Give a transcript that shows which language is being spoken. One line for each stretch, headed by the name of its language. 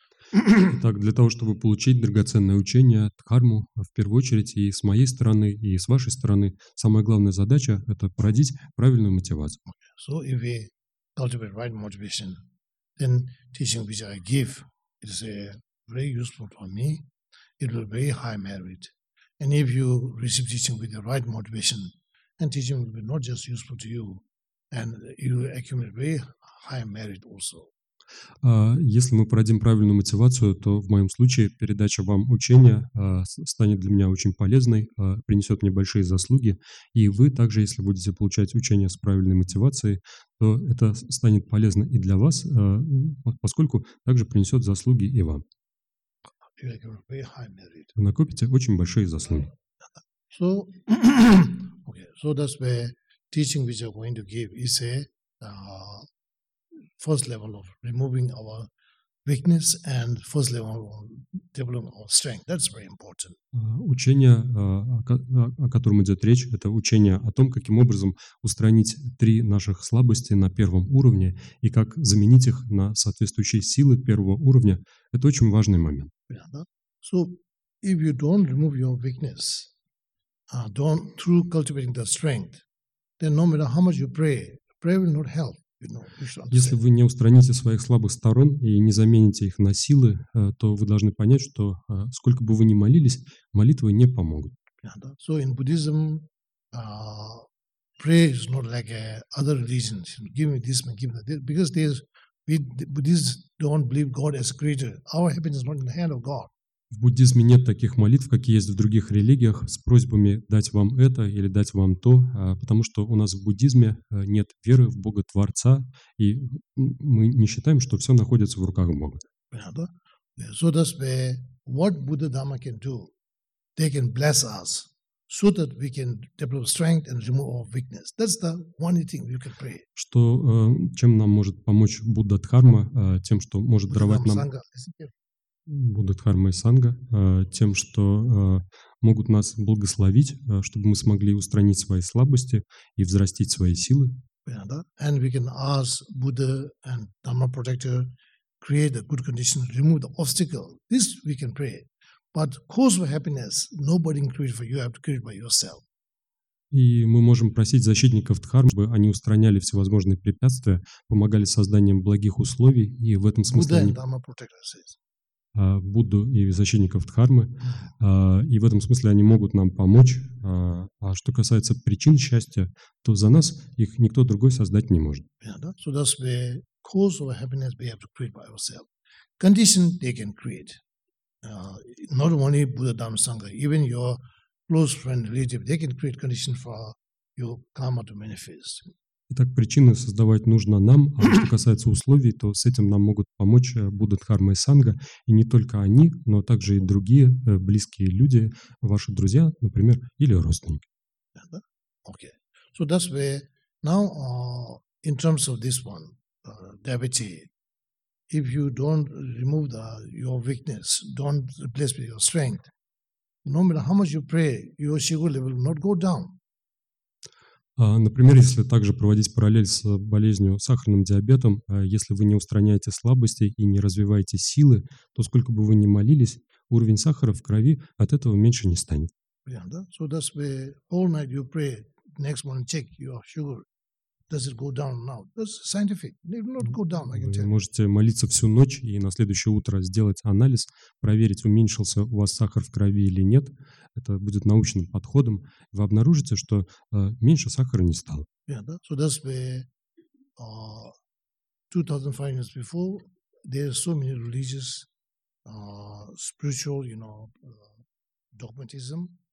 Russian: Итак, для того, чтобы получить драгоценное учение, дхарму, в первую очередь и с моей стороны, и с вашей стороны, самая главная задача – это породить правильную мотивацию.
English: So, if we cultivate right motivation, then teaching which I give is very useful for me. It will be very high merit. And if you receive teaching with the right motivation, and teaching will be not just useful to you, and you accumulate very high merit also.
Russian: Если мы породим правильную мотивацию, то в моем случае передача вам учения станет для меня очень полезной, принесет мне большие заслуги, и вы также, если будете получать учения с правильной мотивацией, то это станет полезно и для вас, поскольку также принесет заслуги и вам.
English: You have a very high merit.
Russian: Вы накопите очень большие заслуги.
English: So that's where teaching which you're going to give is a first level of removing our weakness and first level of developing our strength. That's very important.
Russian: Учение, о котором идет речь, это учение о том, каким образом устранить три наших слабости на первом уровне и как заменить их на соответствующие силы первого уровня. Это очень важный момент.
English: So, if you don't remove your weakness, don't through cultivating the strength, then no matter how much you pray, prayer will not help. You should
Russian: Если
English: understand.
Russian: вы не устраните своих слабых сторон и не замените их на силы, то вы должны понять, что сколько бы вы ни молились, молитвы не помогут.
English: So, in Buddhism, prayer is not like other religions. Give me this, give me that. Because there's We Buddhists don't believe God as creator. Our happiness is not in the hand of God.
Russian: В буддизме нет таких молитв, какие есть в других религиях, с просьбами дать вам это или дать вам то, потому что у нас в буддизме нет веры в Бога Творца, и мы не считаем, что все находится в руках Бога.
English: So that's where what Buddha Dharma can do. They can bless us so that we can develop strength and remove our weakness. That's the only thing you can pray.
Russian: Что, чем нам может помочь Будда Дхарма, тем, что может даровать
English: Buddha
Russian: нам
English: Dhamma, Sangha, listen here.
Russian: Будда Дхарма и Санга, тем, что могут нас благословить, чтобы мы смогли устранить свои слабости и взрастить свои силы.
English: And we can ask Buddha and Dharma protector create a good condition, remove the obstacle. This we can pray. But cause of happiness, nobody can create for you, you have to create by yourself.
Russian: И мы можем просить защитников Дхармы, чтобы они устраняли всевозможные препятствия, помогали созданием благих условий, и в этом смысле
English: Buddha and
Russian: они
English: Dharma protector says.
Russian: Будду и защитников Дхармы, и в этом смысле они могут нам помочь. А что касается причин счастья, то за нас их никто другой создать не может.
English: So that's where cause of happiness we have to create by ourselves. Condition they can create. Not only Buddha, Dhamma, Sangha, even your close friend, relative, they can create condition for your karma to manifest.
Russian: Итак, причины создавать нужно нам, а что касается условий, то с этим нам могут помочь Будда, Дхарма и Санга, и не только они, но также и другие близкие люди, ваши друзья, например, или родственники.
English: Okay. So that's where now in terms of this one, devotee, if you don't remove your weakness, don't replace with your strength, no matter how much you pray, your shigo level will not go down.
Russian: Например, если также проводить параллель с болезнью сахарным диабетом, если вы не устраняете слабости и не развиваете силы, то сколько бы вы ни молились, уровень сахара в крови от этого меньше не станет.
English: So that's where all night you pray, next morning check your sugar. Does it go down now? That's scientific. It will not go down, I can
Russian: Вы
English: tell you.
Russian: можете молиться всю ночь и на следующее утро сделать анализ, проверить, уменьшился у вас сахар в крови или нет. Это будет научным подходом. Вы обнаружите, что меньше сахара не стало.
English: So that's where 2,500 years before, there are so many religious, spiritual, dogmatism.